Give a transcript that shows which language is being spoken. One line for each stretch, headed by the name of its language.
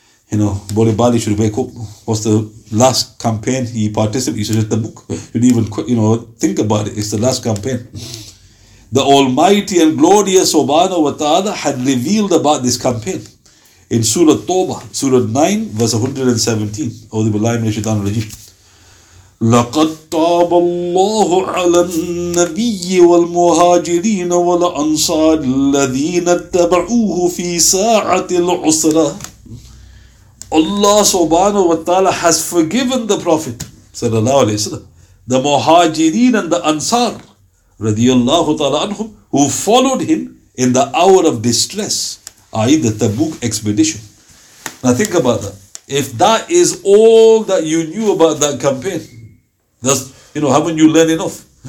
English: You know, Bali Bali should wake up. What's the last campaign he participated in? He said, Tabuk. Should even, you know, think about it. It's the last campaign. The Almighty and Glorious
Arabic: Subhanahu wa Ta'ala
English: had revealed about this campaign in Surah Tawbah, Surah 9, verse 117.
Arabic: Audhu billahi minash shaitan rajim. لقد تاب الله على النبي والمهاجرين والأنصار الذين اتبعوه في ساعة العسرة.
English: Allah subhanahu wa ta'ala has forgiven the Prophet
Arabic: sallallahu alayhi wa sallam,
English: the muhajireen and the ansar
Arabic: radiyallahu ta'ala anhum,
English: who followed him in the hour of distress, i.e. the Tabuk expedition. Now think about that. If that is all that you knew about that campaign, that's, you know, haven't you learned enough?